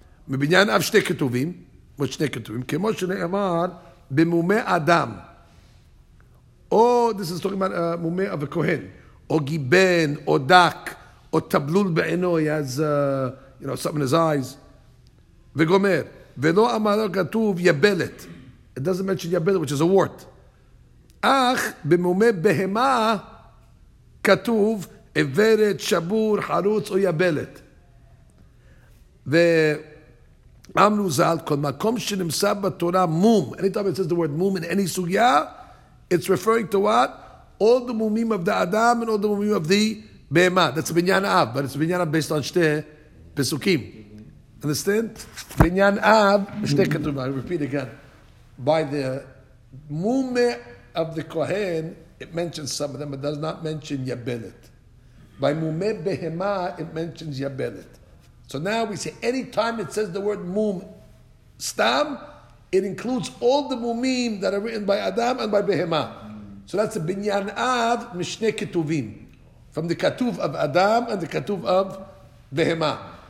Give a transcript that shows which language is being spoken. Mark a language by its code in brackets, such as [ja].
[he] מבניין אב שתי כתובים, עוד שני כתובים, כמו שנאמר, במומי אדם, או, [en] this is talking about [he] מומי אב הכהן, או גיבן, או דק, או טבלול בעינו, [en] he has, you know, something in his eyes, [he] וגומר, ולא אמר לו כתוב יבלת. [en] It doesn't mention יבלת, which is a wart. [he] אך במומה בהמה כתוב עברת, שבור, חרוץ או יבלת. ואמרו זל, כל מקום שנמצא בתורה מום, [en] anytime it says the word מום in any סוגיה, it's referring to what? All the מומים of the אדם and all the מומים of the בהמה. That's בניין אב, but it's בניין אב based on שתי פסוקים. Understand? [he] בניין אב, שתי כתובה, [en] I repeat again. By the מומה of the Kohen, it mentions some of them, but does not mention יבלת. By מומה בהמה, it mentions יבלת. So now we say, anytime it says the word mum, stam, it includes all the mumim that are written by Adam and by Behemah. So that's a binyan av mishne ketuvim. From the ketuv of Adam and the ketuv of Behemah.